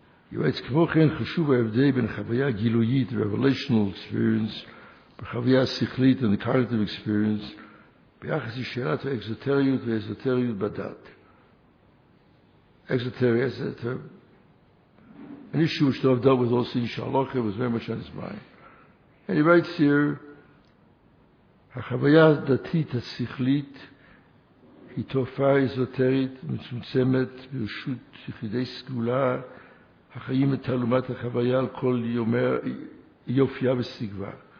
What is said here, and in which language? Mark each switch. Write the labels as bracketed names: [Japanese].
[English] He writes, [Hebrew] כמו כן חשוב ההבדל בין חוויה גילויית, [English] revelational experience, [Hebrew] וחוויה שכלית [English] and the cognitive experience, [Hebrew] ביחס לשאלת האקזוטריות והאזוטריות בדת. [English] Exoteria, an issue which I've dealt with also in Shalach, it was very much on his mind. And he writes here, [Hebrew] החוויה הדתית השכלית היא תופעה אזוטרית מצומצמת ברשות יחידי סגולה החיים את תעלומת החוויה על כל יומר, יופייה וסגבה.